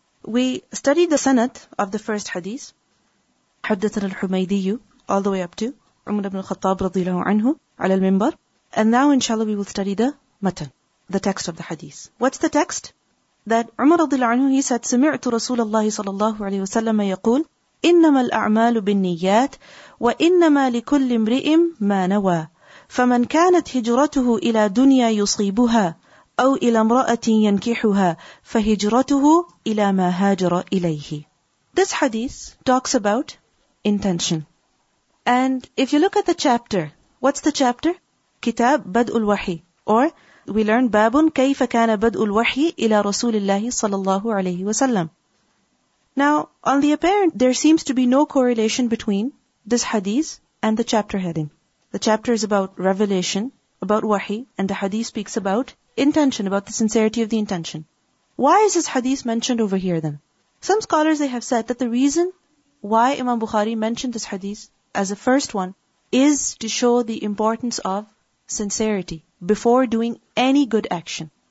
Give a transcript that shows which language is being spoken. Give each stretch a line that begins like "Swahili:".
English: We studied the sanad of the first hadith,
Arabic: حدثنا الحميدي,
English: all the way up to
Arabic: عمر بن الخطاب رضي الله عنه على المنبر.
English: And now inshallah we will study the matan, the text of the hadith. What's the text? That
Arabic: عمر رضي الله عنه,
English: he said,
Arabic: سمعت رسول الله صلى الله عليه وسلم يقول إنما الأعمال بالنيات وإنما لكل امرئ ما نوى فمن كانت هجرته إلى دنيا يصيبها أو إلى امرأة ينكحها فهجرته إلى ما هاجر إليه.
English: This hadith talks about intention. And if you look at the chapter, what's the chapter?
Arabic: كتاب بدء الوحي.
English: Or we learn
Arabic: باب كيف كان بدء الوحي إلى رسول الله صلى الله عليه وسلم.
English: Now, on the apparent, there seems to be no correlation between this hadith and the chapter heading. The chapter is about revelation, about wahi, and the hadith speaks about intention, about the sincerity of the intention. Why is this hadith mentioned over here then? Some scholars, they have said that the reason why Imam Bukhari mentioned this hadith as the first one is to show the importance of sincerity before doing any good action.